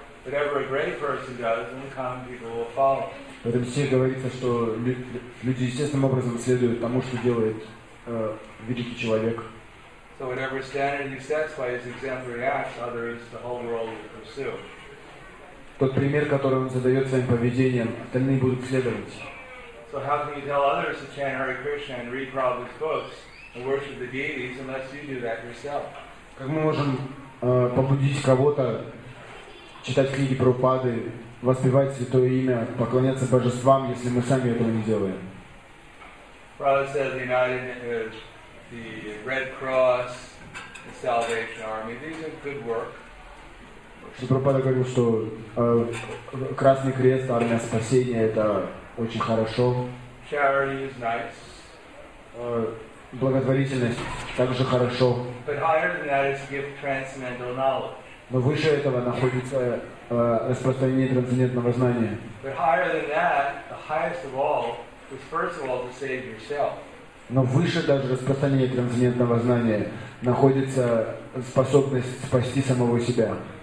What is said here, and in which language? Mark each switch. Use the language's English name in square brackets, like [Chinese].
[English] Whatever a great person does, then common people will follow. [Russian] В этом стихе говорится, что люди естественным образом следуют тому, что делает великий человек. [English] So whatever standard he sets by his exemplary acts, others, the whole world will pursue. [Russian] Тот пример, который он задает своим поведением, остальные будут следовать. [English] So how can you tell others to chant Hare Krishna and read Prabhupada's books and worship the deities unless you do that yourself? [Russian] Как мы можем побудить кого-то читать книги Прабхупады, воспевать святое имя, поклоняться божествам, если мы сами этого не делаем? [English] Prabhupada said the United, the Red Cross, the Salvation Army, these are good work. [Russian] Прабхупада говорил, что Красный Крест, Армия Спасения, это очень хорошо. [English] Charity is nice. [Russian] Благотворительность также хорошо. [English] But higher than that is to give transcendental knowledge. [Russian] Но выше этого находится распространение трансцендентного знания. [English] But higher than that, the highest of all, is first of all to save yourself. [Russian] Но выше даже распространения трансцендентного знания находится способность спасти самого себя.